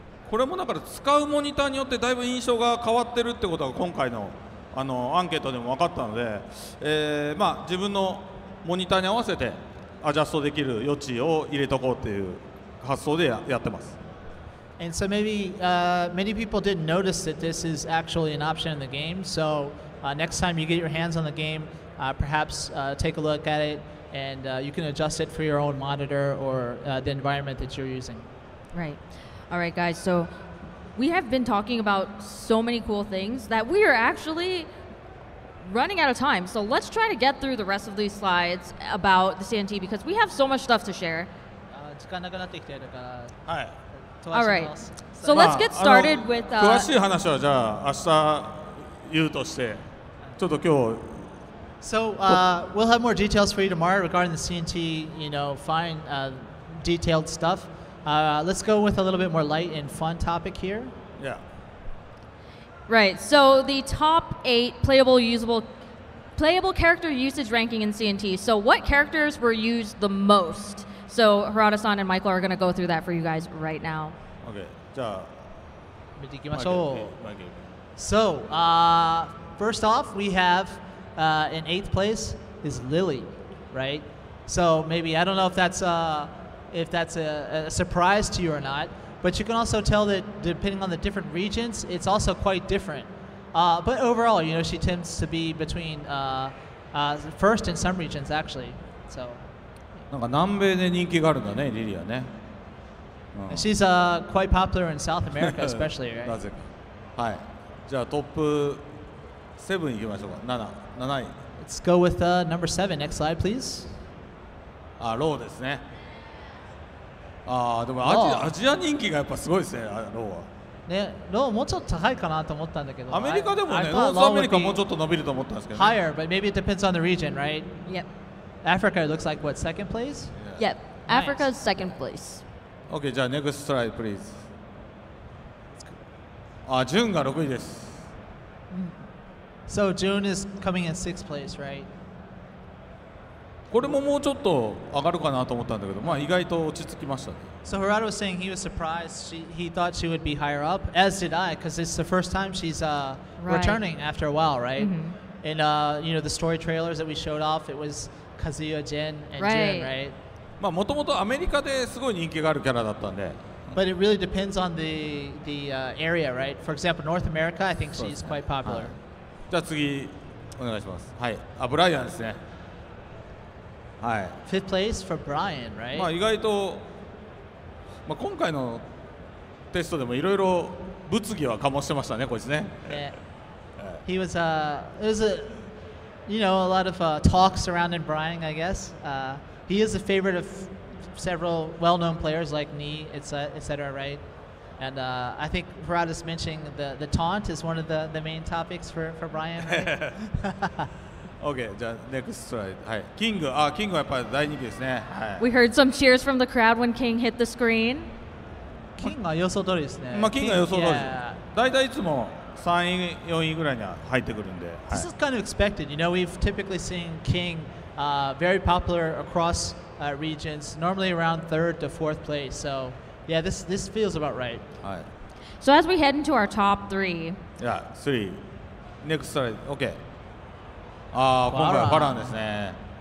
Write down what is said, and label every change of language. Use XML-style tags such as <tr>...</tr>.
<ja>これもだから使うモニターによってだいぶ印象が変わってるってことが今回のアンケートでも分かったので、まあ自分のモニターに合わせてアジャストできる余地を入れとこうっていう発想でやってます。</ja> <en>And so maybe many people didn't notice that this is actually an option in the game. So next time you get your hands on the game, perhaps take a look at it, and you can adjust it for your own monitor or the environment that you're using. Right. All right, guys. So we have been talking about so many cool things that we are actually running out of time. So let's try to get through the rest of these slides about the CNT because we have so much stuff to share. All right. So let's get started with...</en> <ja>詳しい話はじゃあ明日言うとして、ちょっと今日。</ja> <en>So we'll have more details for you tomorrow regarding the CNT, you know, fine detailed stuff. Let's go with a little bit more light and fun topic here. Yeah. Right. So the top eight playable, usable, playable character usage ranking in CNT. So what characters were used the most? So Harada-san and Michael are going to go through that for you guys right now. Okay.</en> <ja>じゃあ、見ていきましょう。</ja> <en>So first off, we have in eighth place is Lily, right? So maybe I don't know if that's a surprise to you or not, but you can also tell that depending on the different regions, it's also quite different. But overall, you know, she tends to be between first in some regions, actually. So.</en> <ja>なんか南米で人気があるんだね、リリアね。</ja> <en>She's quite popular in South America, especially, right?</en> <ja>なぜか。はい。じゃあトップ7行きましょうか。 7位。</ja> <en>Let's go with number 7. Next slide, please.</en> <ja>あ、ローですね。あでもアジア人気がやっぱすごいですね、ローは。ね、ローもうちょっと高いかなと思ったんだけど。アメリカでもね、ノースアメリカもうちょっと伸びると思ったんですけど、ね。</ja> <en>Higher, but maybe it depends on the region, right? Yep. Africa looks like, what, second place? Yeah. Yep. Nice. Africa's second place. Okay,</en> <ja>じゃあ</ja> <en>next slide, please.</en> <ja>あ、ジュンが6位です。</ja> <en>So, June is coming in sixth place, right?</en> <ja>これももうちょっと上がるかなと思ったんだけど、まあ意外と落ち着きましたね。</ja> <en>So, Harada was saying he was surprised. He thought she would be higher up, as did I, because it's the first time she's returning after a while, right? And, you know, the story trailers that we showed off, it was Kazuya Jin and June, right?</en> <ja>まあ、もともとアメリカですごい人気があるキャラだったんで。</ja> <en>But it really depends on the area, right? For example, North America, I think she's quite popular.、</en> <ja>はい、じゃあ次、お願いします。はい。あ、ブライアンですね。はい。</ja> <en>Fifth place for Brian, right?</en> <ja>まあ、意外と、まあ、今回のテストでもいろいろ物議は醸してましたね、こいつね。</ja> <en>Yeah. He was, you know, a lot of talks surrounding Brian, I guess. He is a favorite of several well-known players like Ni, etc., right? And I think Harada is mentioning the taunt is one of the main topics for Brian, right? Okay,</en> <ja>じゃあ</ja> <en>next slide.</en> <ja>はい、キング、あ、キングはやっぱり大人気ですね。はい。</ja> <en>We heard some cheers from the crowd when King hit the screen.</en> <ja>キングは予想通りですね。まあ、キングは予想通り。だいたいいつも3位、4位ぐらいには入ってくるんで。</ja> <en>This is kind of expected. You know, we've typically seen King... very popular across regions, normally around third to fourth place. So, yeah, this feels about right. So as we head into our top three. Yeah, three. Next slide. Okay.</en> <ja>Ah, 今回はバランですね。</ja>